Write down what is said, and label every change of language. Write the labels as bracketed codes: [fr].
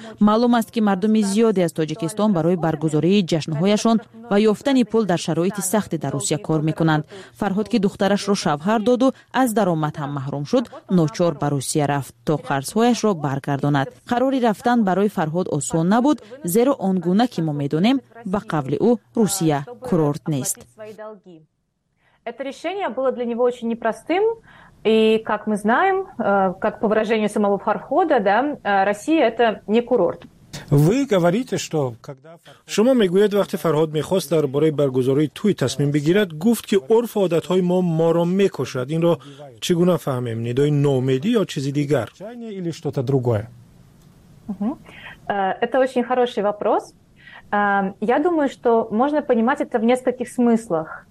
[fa] معلوم است که مردم زیادی از تاجیکستان برای برگزاری جشن هایشان و یافتن پول در شرایط سخت در روسیه کار میکنند. فرهاد که دخترش را شوهر داد و از درآمد هم محروم شد، ناچار به روسیه رفت تا قرض درسهایش را برگرداند. قراری رفتن برای فرهاد آسان نبود، زیرا آنگونه که ما میدونیم به قول او روسیه کورورت نیست. [ru] Это решение было для него очень непростым, и как мы знаем, как по выражению самого Фархода, да, Россия это не курорт. Вы говорите, что когда [fa] شما میگوید وقتی فرهاد میخواست درباره برگزاری توی تصمیم بگیرد گفت که عرف و عادت های ما ما را میکشد. این را چگونه فهمیم؟ ندای نومیدی یا چیزی دیگر؟ [ru] Или что-то другое. Это очень хороший вопрос. Я думаю, что можно понимать это в нескольких смыслах.